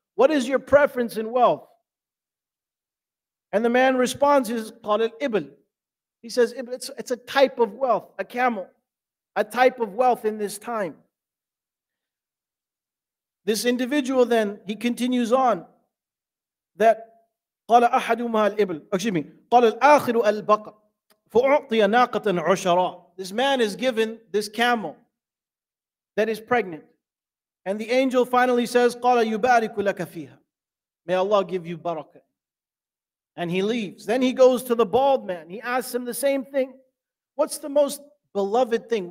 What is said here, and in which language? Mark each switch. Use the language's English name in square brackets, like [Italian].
[English] What is your preference in wealth? And the man responds, he says, [Arabic] قَالَ الْإِبْلِ. [English] He says, Ibn, it's a type of wealth, a camel, a type of wealth in this time. This individual then, he continues on, that, [Arabic] قَالَ أَحَدُمَا الْإِبْلِ. [English] Excuse me, [Arabic] قَالَ الْآخِرُ الْبَقَى فَأُعْطِيَ نَاقَةً عُشَرًا. [English] This man is given this camel that is pregnant. And the angel finally says, [Arabic] قَالَ يُبَارِكُ لَكَ فِيهَا. [English] May Allah give you barakah. And he leaves. Then he goes to the bald man. He asks him the same thing. What's the most beloved thing?